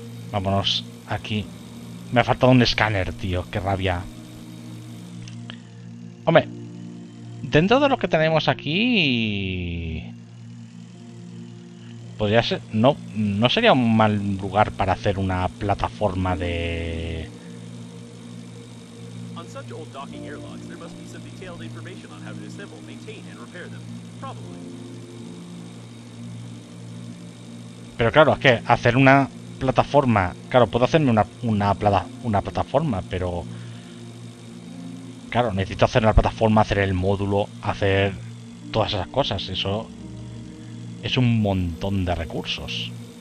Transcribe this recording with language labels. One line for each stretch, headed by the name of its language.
Spanish: Vámonos aquí. Me ha faltado un escáner, tío. Qué rabia. Hombre, dentro de lo que tenemos aquí, podría ser. No, no sería un mal lugar para hacer una plataforma de.
English: On such old docking airlocks, there must be some detailed information on how to assemble, maintain and repair them. Probably.
Spanish: Pero claro, es que hacer una plataforma, claro, puedo hacerme una plataforma, pero claro, necesito hacer la plataforma, hacer el módulo, hacer todas esas cosas. Eso es un montón de recursos.